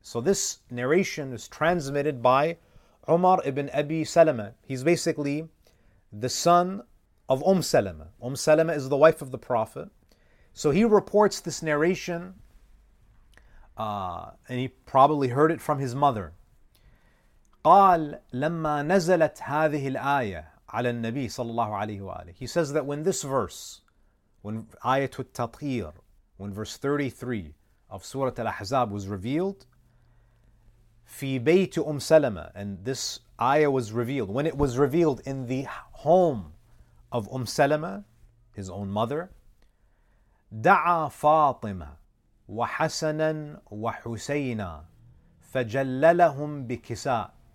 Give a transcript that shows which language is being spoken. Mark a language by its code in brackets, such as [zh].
[en] So this narration is transmitted by Umar ibn Abi Salama. He's basically the son of Salama. Salama is the wife of the Prophet. So he reports this narration, and he probably heard it from his mother. [ar] قال لما نزلت هذه الآية على النبي صلى الله عليه وآله. [en] He says that when this verse, when Ayat al-Tatheer, when verse 33 of Surah Al-Ahzab was revealed, [ar] في بيت سلمة, [en] and this ayah was revealed, when it was revealed in the home of Salama, his own mother, [ar] دعا فاطمة وحسنا وحسينا فجللهم بكساء.